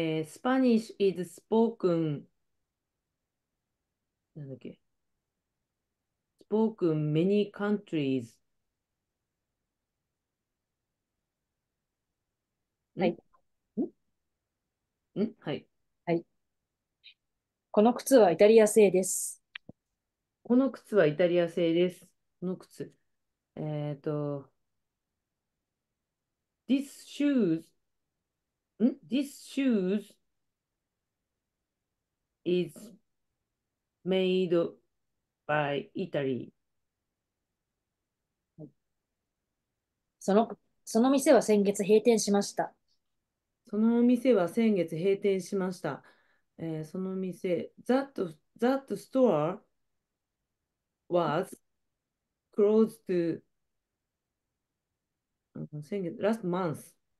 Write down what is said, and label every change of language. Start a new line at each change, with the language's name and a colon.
English: スパニッシュ is spoken
Japanese: なんだっけ
English: spoken many countries。
Japanese: はい。ん？ん？はい。はい。この靴はイタリア製です。この靴はイタリア製です。この靴。
English: This shoes, ん ?This shoes is made by Italy.
Japanese: その店は先月閉店しました。そのお店は先月閉店しました。その店、
English: that store? Was closed to
Japanese: 先月
English: last month。